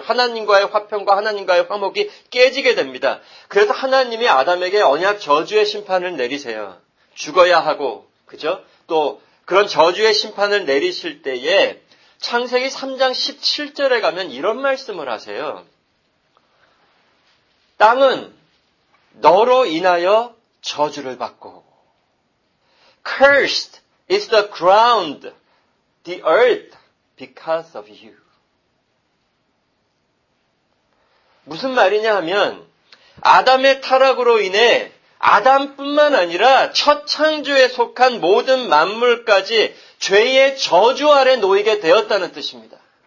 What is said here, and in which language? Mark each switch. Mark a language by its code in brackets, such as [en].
[ko] 하나님과의 화평과 하나님과의 화목이 깨지게 됩니다. 그래서 하나님이 아담에게 언약 저주의 심판을 내리세요. 죽어야 하고, 그죠? 또 그런 저주의 심판을 내리실 때에 창세기 3장 17절에 가면 이런 말씀을 하세요. 땅은 너로 인하여 저주를 받고 [en] Cursed is the ground, the earth because of you. [ko] 무슨 말이냐 하면 아담의 타락으로 인해 아담뿐만 아니라 첫 창조에 속한 모든 만물까지 죄의 저주 아래 놓이게 되었다는 뜻입니다.